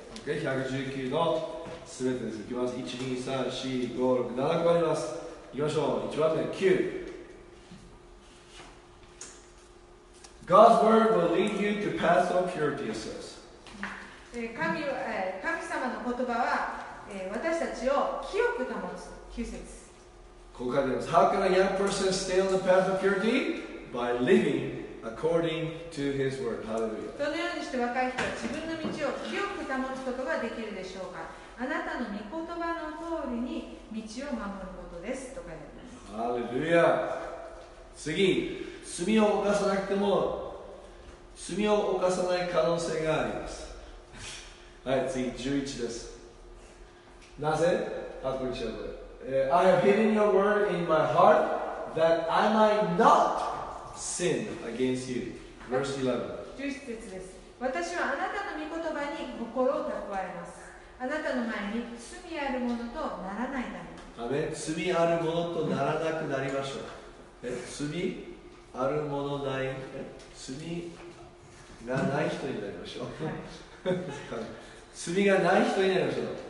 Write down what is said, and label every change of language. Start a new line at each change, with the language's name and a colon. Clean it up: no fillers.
Japanese: OK? 119の全てです。いきます。1、2、3、4、5、6、7個あります。いきましょう。一番目、9。
English: God's word will lead you to paths of purity, it says.
Japanese: 神様の言葉は私たちを清く保つ。9節。
English: How can a young person stay on the path of purity? By living according to his word. Hallelujah.
Japanese: どのようにして若い人は自分の道を清く保つことができるでしょうか。あなたの御言葉の通りに道を守ることですと書いてあります。
English: Hallelujah.
Japanese: 次、罪を犯さなくても罪を犯さない可能性があります。はい、次、11です。なぜ
English: I have hidden your word in my heart that I might not sin against you. Verse 11.
Japanese: 11節です。私はあなたの御言葉に心を蓄えます。あなたの前に罪あるものとならないため。罪あるものとならなくなりましょう。罪あるものない。罪がない人になりましょう。罪がない人になりましょう。